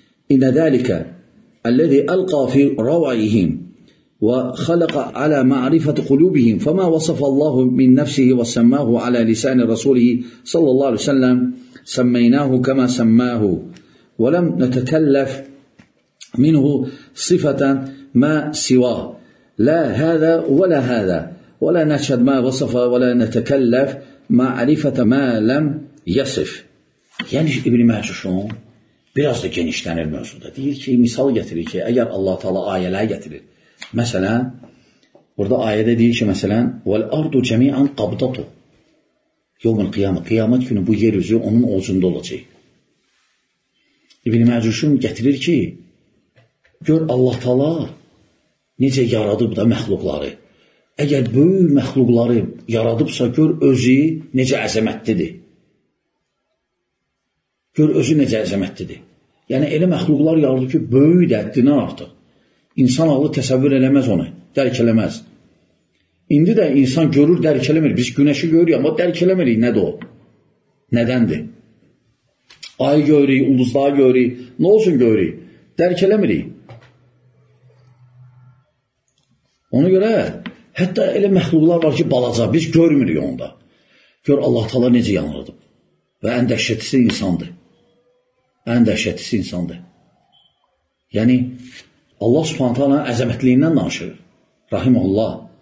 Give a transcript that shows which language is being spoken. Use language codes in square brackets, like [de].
[ar] إن ذلك الذي ألقى في روعهم وخلق على معرفة قلوبهم فما وصف الله من نفسه وسماه على لسان رسوله صلى الله عليه وسلم سميناه كما سماه ولم نتكلف منه صفة ما سواه لا هذا ولا هذا ولا نشهد ما وصف ولا نتكلف معرفة ما لم يصف يعني ابن ماجه شلون [az] Biraz da genişlənir mövzuda. Deyir ki, misal gətirir ki, əgər Allah Taala ayələri gətirir. Məsələn, burada ayədə deyir ki, məsələn, "Vel ardu cəmiən qabdatu." Yomul qiyamə, qiyamət günü bu yer üzü onun ovcunda olacaq. İbn Məcrun gətirir ki, gör Allah Taala necə yaradıb da məxluqları. Əgər böyük məxluqları yaradıbsa, gör özü necə əzəmətlidir. Gör, özü necə əzəmətlidir. Yəni, elə məxluqlar yaradı ki, böyük dəddinə artıq. İnsan ağlı təsəvvür eləməz onu, dərk eləməz. İndi də insan görür, dərk eləmir. Biz günəşi görürük, amma dərk eləmirik, nədir o? Nədəndir? Ay görürük, ulduzlar görürük, nə olsun görürük? Dərk eləmirik. Ona görə, hətta elə məxluqlar var ki, balaca, biz görmürük onda. Gör, Allah Taala necə yanırdı. Və ən dəhşətlisi insandır. Ən dəhşətlisi insandır. Yəni, Allah subhanətə alanın əzəmətliyindən danışır. Rahim Allah.